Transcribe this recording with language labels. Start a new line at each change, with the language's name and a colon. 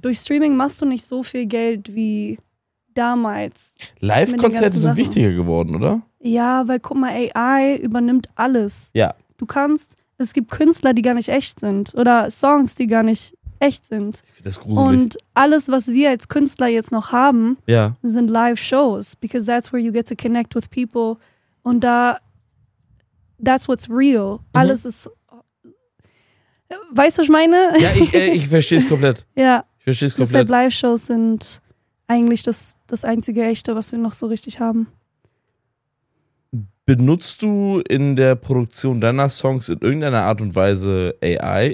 German: Durch Streaming machst du nicht so viel Geld wie damals. Live-Konzerte sind wichtiger geworden, oder? Ja, weil guck mal, AI übernimmt alles. Ja. Du kannst... Es gibt Künstler, die gar nicht echt sind oder Songs, die gar nicht echt sind. Ich finde das gruselig. Und alles, was wir als Künstler jetzt noch haben, ja, sind Live-Shows,
English: because that's where you get to connect with people.
German: Und da,
English: that's what's real. Mhm.
German: Alles ist, weißt du, was ich meine? Ja, ich verstehe es komplett. Ja. Ich verstehe es komplett. Deshalb Live-Shows sind eigentlich das einzige Echte, was wir noch so richtig haben. Benutzt du in der Produktion deiner Songs in irgendeiner Art und Weise AI?